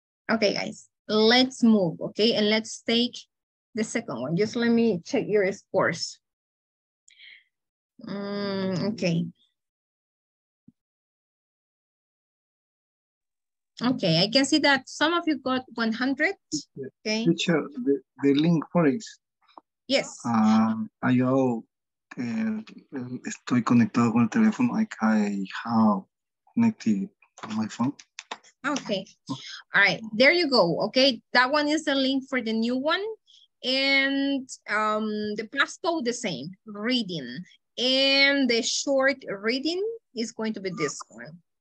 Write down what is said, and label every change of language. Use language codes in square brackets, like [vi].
[en] Okay, guys, let's move, okay? And let's take the second one. Just let me check your scores. Okay. Okay, I can see that some of you got 100, okay? Teacher, the link for it. Yes. [es] Yo estoy conectado con el teléfono, [en] like I have connected my phone. Okay, all right, there you go. Okay, that one is the link for the new one, and the passcode the same, reading, and the short reading is going to be this one.